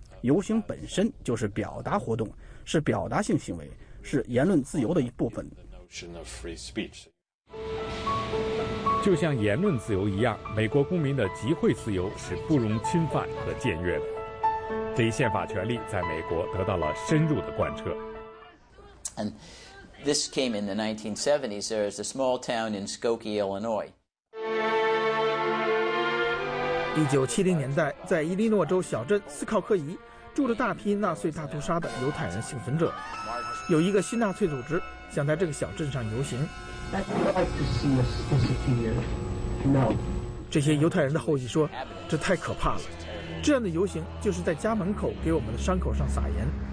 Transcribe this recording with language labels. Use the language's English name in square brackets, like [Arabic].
[Chinese] 游行本身就是表达活动，是表达性行为，是言论自由的一部分。就像言论自由一样，美国公民的集会自由是不容侵犯和僭越的。这一宪法权利在美国得到了深入的贯彻。 [English] And this came in the 1970s. There is a small town in Skokie, Illinois. [Chinese] 1970年代，在伊利诺州小镇斯考克伊，住着大批纳粹大屠杀的犹太人幸存者。有一个新纳粹组织想在这个小镇上游行。这些犹太人的后裔说，这太可怕了，这样的游行就是在家门口给我们的伤口上撒盐。